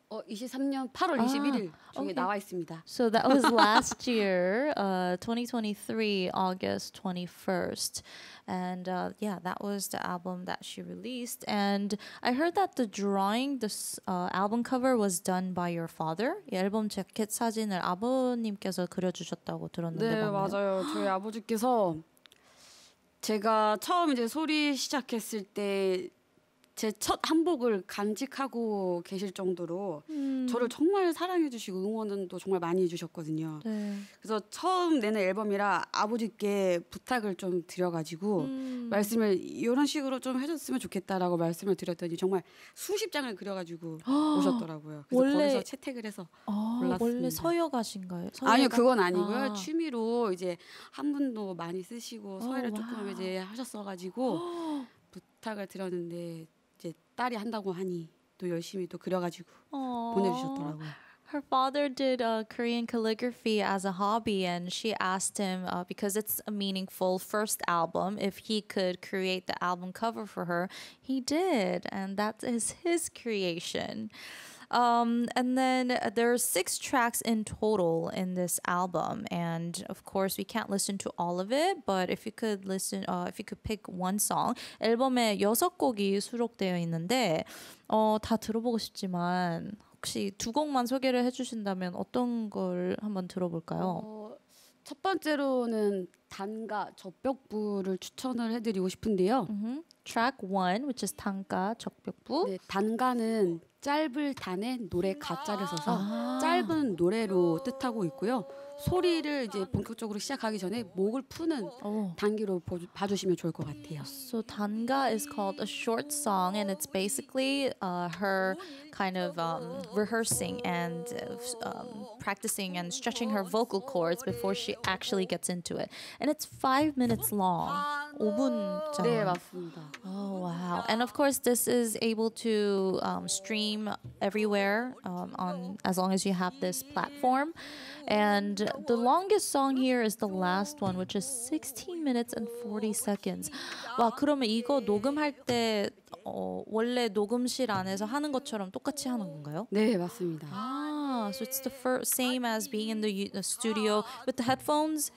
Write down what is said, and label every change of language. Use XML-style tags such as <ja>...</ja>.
<ko>23년 8월 21일 중에 okay. 나와 있습니다.</ko> <en>So that was last year, 2023 August 21st, and yeah, that was the album that she released. And I heard that the drawing, the album cover, was done by your father.</en> <ko>이 앨범 재킷 사진을 아버님께서 그려주셨다고 들었는데. 네, 맞아요. 저희 아버지께서 제가 처음 이제 소리 시작했을 때. 제 첫 한복을 간직하고 계실 정도로 저를 정말 사랑해 주시고 응원도 정말 많이 해 주셨거든요. 네. 그래서 처음 내는 앨범이라 아버지께 부탁을 좀 드려가지고 말씀을 이런 식으로 좀 해줬으면 좋겠다라고 말씀을 드렸더니 정말 수십 장을 그려가지고 오셨더라고요. 그래서 원래 거기서 채택을 해서 골랐습니다. 원래 서역하신가요? 아니요, 그건 아니고요. 아. 취미로 이제 한 분도 많이 쓰시고 서예를 조금 이제 하셨어가지고 부탁을 드렸는데 이제 딸이 한다고 하니 또 열심히 또 그려가지고 보내주셨더라고요.</ko> <en>Her father did Korean calligraphy as a hobby, and she asked him because it's a meaningful first album if he could create the album cover for her. He did, and that is his creation. And then there are 6 tracks in total in this album, and of course we can't listen to all of it, but if you could listen, if you could pick one song.</en> <ko>앨범에 여섯 곡이 수록되어 있는데 다 들어보고 싶지만 혹시 두 곡만 소개를 해주신다면 어떤 걸 한번 들어볼까요? 첫 번째로는 단가 적벽부를 추천을 해드리고 싶은데요.</ko> <en>Track 1, which is 단가 적벽부.</en> <ko>네, 단가는 짧을 단에 노래 가짜를 써서 짧은 노래로 뜻하고 있고요. 소리를 이제 본격적으로 시작하기 전에 목을 푸는 단기로 봐주시면 좋을 것 같아요.</ko> <en>So 단가 is called a short song, and it's basically her kind of rehearsing and practicing and stretching her vocal cords before she actually gets into it. And it's 5 minutes long.</en> <ko>5분짜리. 네, 맞습니다.</ko> <en>Oh, wow. And of course, this is able to stream everywhere on as long as you have this platform. And the longest song here is the last one, which is 16 minutes and 40 seconds.</en> <ko>와, 그러면 이거 녹음할 때 원래 녹음실 안에서 하는 것처럼 똑같이 하는 건가요? 네, 맞습니다.</ko> <en>아, so it's the same as being in the studio with the headphones?</en>